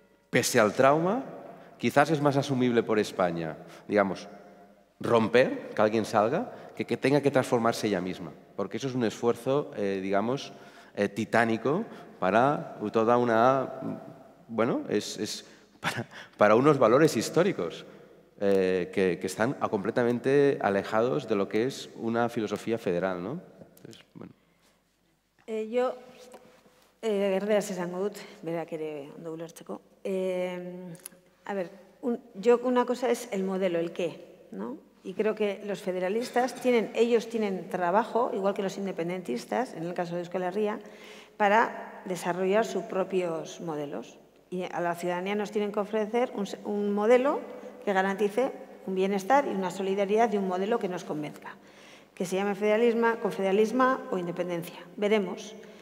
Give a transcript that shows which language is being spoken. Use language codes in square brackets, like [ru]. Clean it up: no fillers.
[es] Pese al trauma, quizás es más asumible por España, digamos, romper, que alguien salga, que tenga que transformarse ella misma, porque eso es un esfuerzo, digamos, titánico para toda una... Bueno, es para unos valores históricos que están completamente alejados de lo que es una filosofía federal, ¿no? Entonces, bueno. [eu] Yo, erderaz esango dut, berak ere ondo ulertzeko. [es] A ver, una cosa es el modelo, el qué, ¿no? Y creo que los federalistas tienen trabajo, igual que los independentistas, en el caso de Euskal Herria, para desarrollar sus propios modelos. Y a la ciudadanía nos tienen que ofrecer un modelo que garantice un bienestar y una solidaridad y un modelo que nos convenzca, que se llame federalismo, confederalismo o independencia. Veremos.